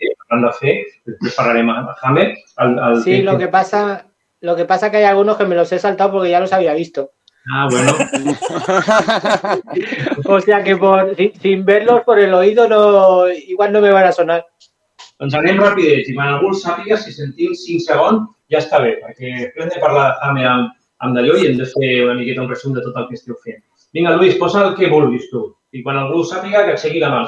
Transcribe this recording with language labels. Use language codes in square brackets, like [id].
[ca] Han de fer, després parlarem amb Hammer. [es] Sí, lo que pasa que hay algunos que me los he saltado porque ya los había visto. Ah, bueno. O sea que sin verlos por el oído no, igual no me van a sonar. [ca] Doncs anem rapidets i quan algú el sàpiga, si sentim 5 segons, ja està bé, perquè després hem de parlar amb d'allò i hem de fer una miqueta un resum de tot el que esteu fent. Vinga, Luis, posa el que vulguis tu. I quan algú el sàpiga, que aixequi la mà.